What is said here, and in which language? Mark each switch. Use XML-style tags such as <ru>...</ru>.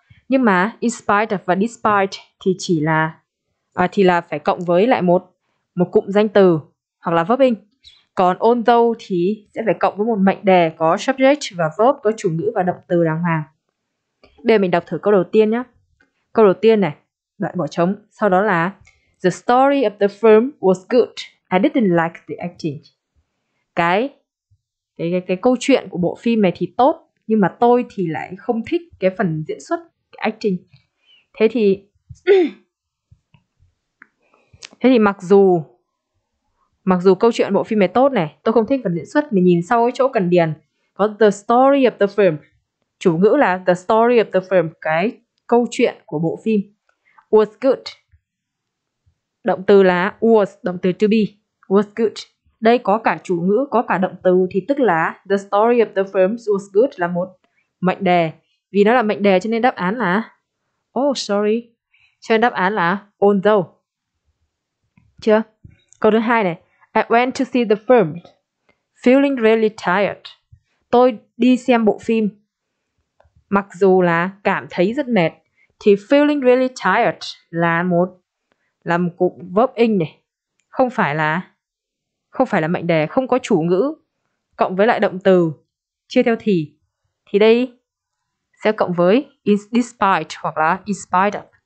<vi>Nhưng mà in spite of và despite thì chỉ là phải cộng với lại một cụm danh từ hoặc là verb in. Còn although thì sẽ phải cộng với một mệnh đề có subject và verb, có chủ ngữ và động từ đàng hoàng. Bây giờ mình đọc thử câu đầu tiên nhé. Câu đầu tiên này, đoạn bỏ trống. Sau đó là</vi> <en>the story of the firm was good. I didn't like the acting.</en> <vi>Cái câu chuyện của bộ phim này thì tốt, nhưng mà tôi thì lại không thích cái phần diễn xuất, cái acting. Thế thì mặc dù câu chuyện bộ phim này tốt này, tôi không thích phần diễn xuất. Mình nhìn sau cái chỗ cần điền có</vi> <en>the story of the film.</en> <vi>Chủ ngữ là</vi> <en>the story of the film,</en> <vi>cái câu chuyện của bộ phim.</vi> <en>Was good.</en> <vi>Động từ là was, động từ to be.</vi> <en>Was good.</en> <vi>Đây có cả chủ ngữ, có cả động từ, thì tức là</vi> <en>the story of the firm was good</en> <vi>là một mệnh đề. Vì nó là mệnh đề cho nên đáp án là cho nên đáp án là although. Chưa? Câu thứ hai này.</vi> <en>I went to see the firm feeling really tired.</en> <vi>Tôi đi xem bộ phim mặc dù là cảm thấy rất mệt. Thì</vi> <en>feeling really tired</en> <vi>là một cụm verb in này. Không phải là mệnh đề, không có chủ ngữ cộng với lại động từ chia theo thì đây sẽ cộng với in despite hoặc là in spite of.</vi>